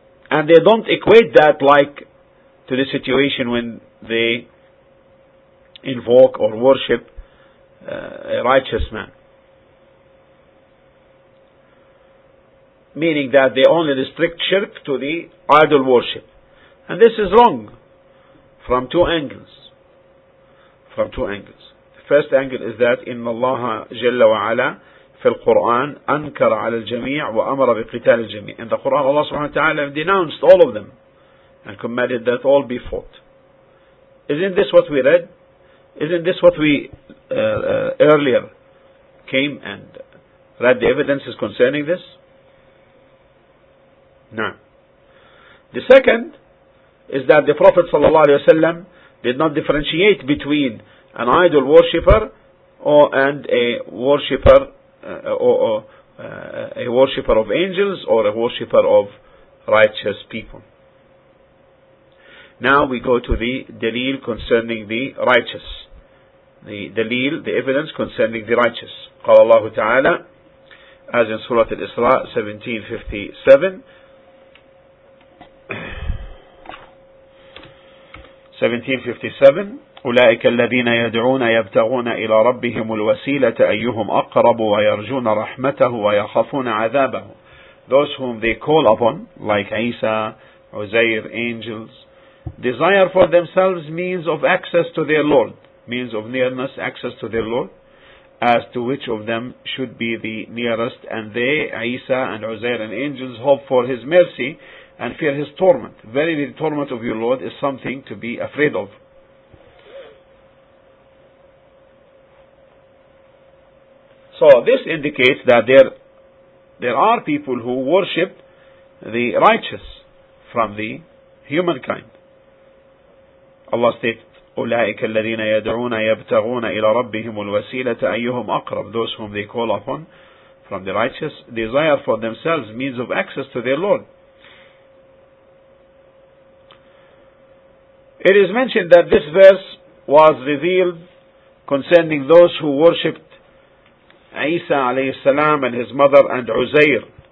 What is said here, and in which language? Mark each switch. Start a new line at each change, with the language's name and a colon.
English: And they don't equate that like to the situation when they invoke or worship a righteous man. Meaning that they only restrict shirk to the idol worship. And this is wrong from two angles. The first angle is that
Arabic: إن الله جل وعلا في القرآن أنكر على الجميع وأمر بقتال الجميع.
English: In the Quran, Allah subhanahu wa ta'ala denounced all of them and commanded that all be fought. Isn't this what we read? Isn't this what we earlier came and read the evidences concerning this? No. The second is that the Prophet ﷺ did not differentiate between an idol worshipper and a worshipper a worshipper of angels or a worshipper of righteous people. Now we go to the dalil concerning the righteous. The dalil, the evidence concerning the righteous.
Arabic: قال الله تعالى,
English: as in Surah Al-Israa 17:57.
Arabic: 1757, أولئك الذين يدعون يبتغون إلى ربهم الوسيلة أيهم أقرب ويرجون رحمته ويخافون عذابه.
English: Those whom they call upon, like Isa, Uzair, angels, desire for themselves means of access to their Lord, means of nearness, access to their Lord, as to which of them should be the nearest, and they, Isa and Uzair and angels, hope for his mercy and fear his torment. Verily, the torment of your Lord is something to be afraid of. So this indicates that there are people who worship the righteous from the humankind. Allah stated,
Arabic: أولئك الذين يدعون يبتغون إلى ربهم الوسيلة أيهم أقرب.
English: Those whom they call upon from the righteous desire for themselves means of access to their Lord. It is mentioned that this verse was revealed concerning those who worshipped Eesaa alayhi salam and his mother and Uzair.